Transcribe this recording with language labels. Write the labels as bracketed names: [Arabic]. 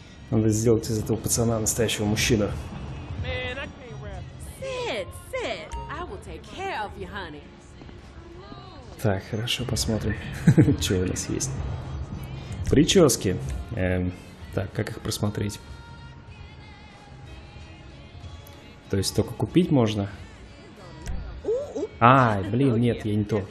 [Russian] Надо сделать из этого пацана настоящего мужчину. [English] Man, I can't rap. Sid, I will take care of you, honey. [Russian] Так, хорошо, посмотрим, что у нас есть. Прически. Так, как их просмотреть? То есть только купить можно? Ай, блин, нет, я не то.